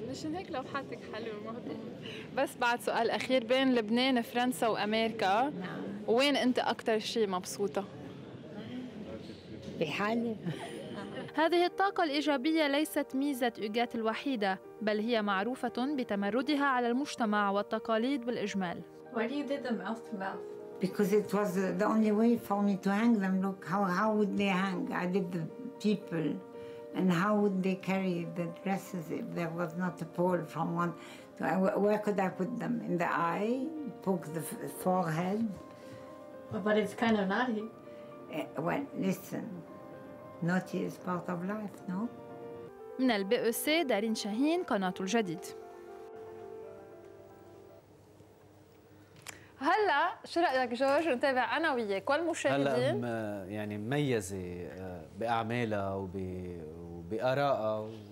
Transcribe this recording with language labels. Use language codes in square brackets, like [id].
[ar] مشان هيك لوحاتك حلوة مهضوم. بس بعد سؤال أخير، بين لبنان فرنسا وأمريكا وين أنت أكثر شيء مبسوطة؟ بحالي. هذه الطاقة الإيجابية ليست ميزة إيجاد الوحيدة بل هي معروفة بتمردها على المجتمع والتقاليد بالإجمال. [en] Why you did them off the mouth? Because it was the only way for me to hang them. Look how would they hang? I did the people and how would they carry the dresses if there was not a pole from one? Where could I put them? In the eye, poke the forehead. But it's kind of naughty. Well, listen, naughty is part of life, no? [ar] من البي او سي دارين شاهين قناة الجديد. هلا شو رايك جورج نتابع انا وياك والمشاهدين؟ هلا يعني مميزه باعمالها وبارائها